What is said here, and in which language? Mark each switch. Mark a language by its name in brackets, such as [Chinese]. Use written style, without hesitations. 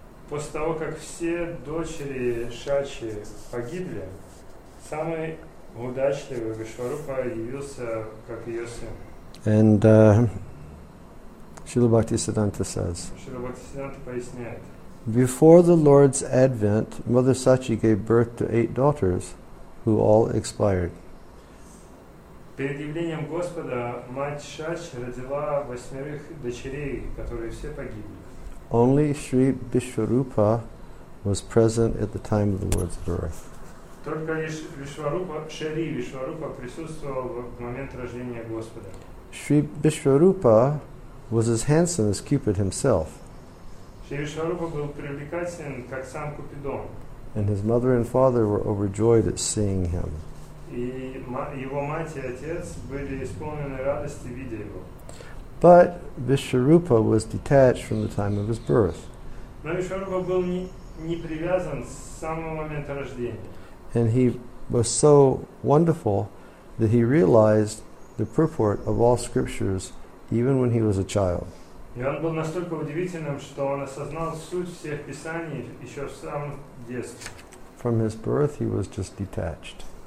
[Russian] После того, как все дочери Шачи погибли, самый удачливый Вишварупа явился как ее сын. [English] And Śrīla Bhaktisiddhānta says, [Russian] Śrīla Bhaktisiddhānta поясняет, [English] before the Lord's advent, Mother Sachi gave birth to 8 daughters who all expired. [Russian] Перед явлением Господа мать Шач родила 8 дочерей, которые все погибли. [English] Only Sri Vishwarupa was present at the time of the Lord's birth. [Russian] Только лишь Шри Вишварупа присутствовал в момент рождения Господа. [English] Sri Vishwarupa was as handsome as Cupid himself. [Russian] Шри Вишварупа был привлекателен, как сам Купидон. [English] And his mother and father were overjoyed at seeing him. [Russian] И его мать и отец были исполнены радости, видя его. [English] But Vishwarupa was detached from the time of his birth. [Russian] Но Вишварупа был не привязан с самого момента рождения. [English] And he was so wonderful that he realized the purport of all scriptures even when he was a child. [Russian] И он был настолько удивительным, что он осознал суть всех писаний еще в самом детстве. [English] From his birth he was just detached.